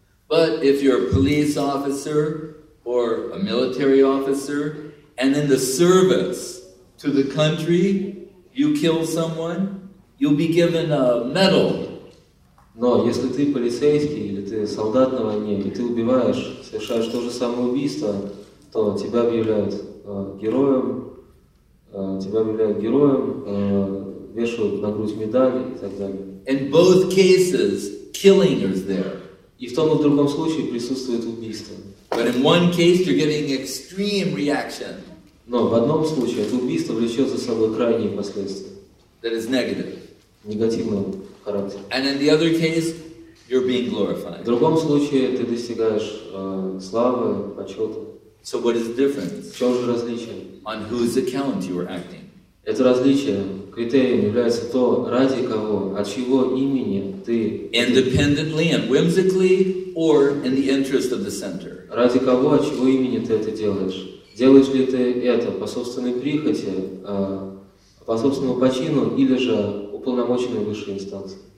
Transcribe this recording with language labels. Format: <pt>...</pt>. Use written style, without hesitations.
<en>But if you're a police officer or a military officer and in the service to the country, you kill someone, you'll be given a medal.</en> <ru>Но если ты полицейский или ты солдат на войне, и ты убиваешь, совершаешь то же самое убийство, то тебя объявляют героем. Тебя объявляют героем, вешают на грудь медали и так далее.</ru> <en>In both cases, killing is there.</en> <ru>И в том и в другом случае присутствует убийство.</ru> <en>But in one case you're getting extreme reaction.</en> <ru>Но в одном случае это убийство влечет за собой крайние последствия.</ru> <en>That is negative.</en> <ru>Негативный характер.</ru> <en>And in the other case, you're being glorified.</en> <ru>В другом случае ты достигаешь славы, почета.</ru> <en>So what is the difference?</en> <ru>В чем же различие?</ru> <en>On whose account you are acting?</en> <ru>Это различие критерием является то, ради кого, от чьего имени ты.</ru> <en>Independently and whimsically, or in the interest of the center?</en> <ru>Ради кого, от чьего имени ты это делаешь? Делаешь ли ты это по собственной прихоти, по собственному почину или же уполномоченной высшей инстанции?</ru>